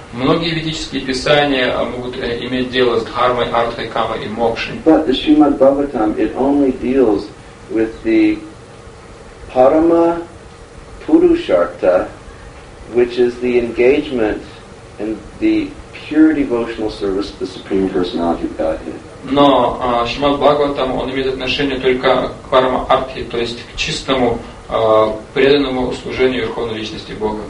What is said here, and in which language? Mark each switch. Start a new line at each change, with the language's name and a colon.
Russian: Многие ведические писания могут иметь дело с дхармой, артхой, камой и мокшей.
English: But the Srimad Bhagavatam it only deals with the parama purushartha, which is the engagement and the pure devotional service to the Supreme Personality of Godhead.
Russian: Но Шримад Бхагаватам он имеет отношение только к парама артхи, то есть к чистому преданному служению Верховной Личности Бога.